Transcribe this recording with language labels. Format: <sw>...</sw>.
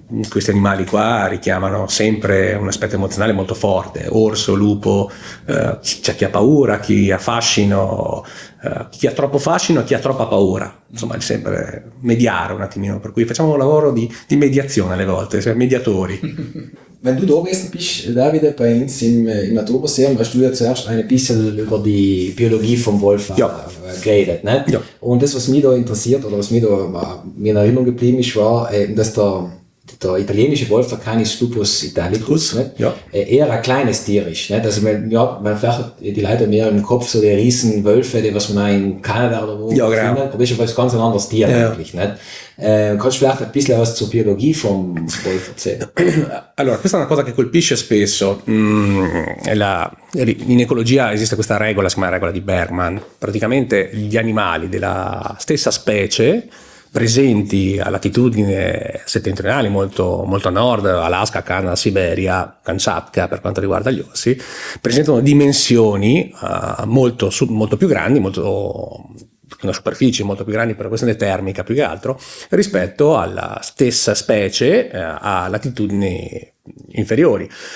<it>Questi animali qua richiamano sempre un aspetto emozionale molto forte, orso, lupo, c'è chi ha paura, chi ha fascino, chi ha troppo fascino e chi ha troppa paura, insomma è sempre mediare un attimino, per cui facciamo un lavoro di mediazione alle volte, siamo mediatori.</it> <de>wenn du da gewesen bist, David, bei uns im Naturmuseum, hast du ja zuerst ein bisschen über die Biologie vom Wolf geredet. Ne? Ja. Und das, was mich da interessiert oder was mir in Erinnerung geblieben ist, war, dass der italienische Wolf, der Canis lupus italicus, ne? Ja. Eher ein kleines Tier ist. Ne? Also man vielleicht die Leute mehr im Kopf, so die riesen Wölfe, die was man in Kanada oder wo finden, aber das ist ein ganz anderes Tier eigentlich. Ne? Kannst du vielleicht ein bisschen was zur Biologie vom Wolf erzählen?</de> <it>Allora, questa è una cosa che colpisce spesso. In ecologia esiste questa regola, si chiama regola di Bergman. Praticamente gli animali della stessa specie presenti a latitudine settentrionale, molto, molto a nord, Alaska, Canada, Siberia, Kamchatka per quanto riguarda gli orsi, presentano dimensioni molto più grandi, una superficie molto più grande per una questione termica più che altro, rispetto alla stessa specie a latitudini inferiori.</it>